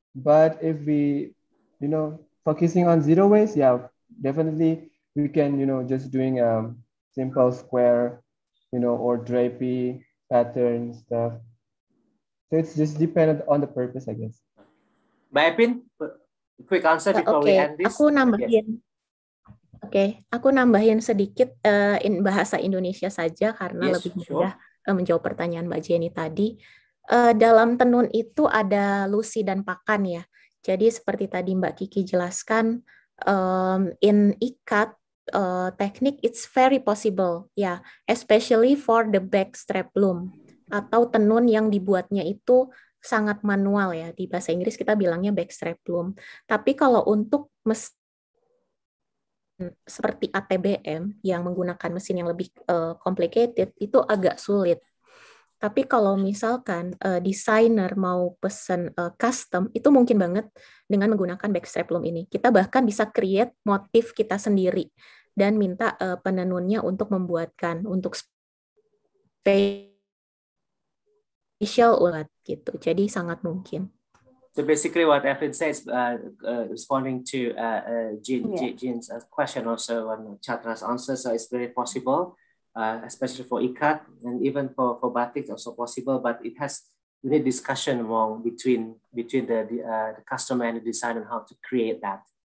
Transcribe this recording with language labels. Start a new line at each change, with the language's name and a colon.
English: But if we, you know, focusing on zero waste, yeah, definitely we can, you know, just doing a simple square, you know, or drapey pattern stuff. So it's just dependent on the purpose, I guess. Mbak Epin, quick answer before okay. we end this.
Indonesian: Aku nambahin.
English: Yes.
Indonesian: Okay, aku nambahin sedikit
English: in bahasa Indonesia
Indonesian: saja karena
English: yes,
Indonesian: lebih mudah
English: sure.
Indonesian: Menjawab pertanyaan Mbak Jenny tadi. Dalam tenun itu ada lusi dan pakan ya. Jadi seperti tadi Mbak Kiki jelaskan, in ikat, teknik,
English: it's very possible, yeah. Especially for the back strap loom
Indonesian: atau tenun yang dibuatnya itu sangat manual ya, di bahasa Inggris kita bilangnya back strap loom. Tapi kalau untuk mesin seperti ATBM yang menggunakan mesin yang lebih complicated, itu agak sulit. Tapi kalau misalkan desainer mau pesen custom, itu mungkin banget dengan menggunakan backstrap loom ini. Kita bahkan bisa create motif kita sendiri dan minta penenunnya untuk membuatkan untuk special ulat gitu. Jadi sangat mungkin.
English: So basically what Evan says, responding to Jean's question also and Chatra's answer, so it's very possible. Especially for ikat and even for batik also possible, but it has we need discussion among between the customer and the designer on how to create that.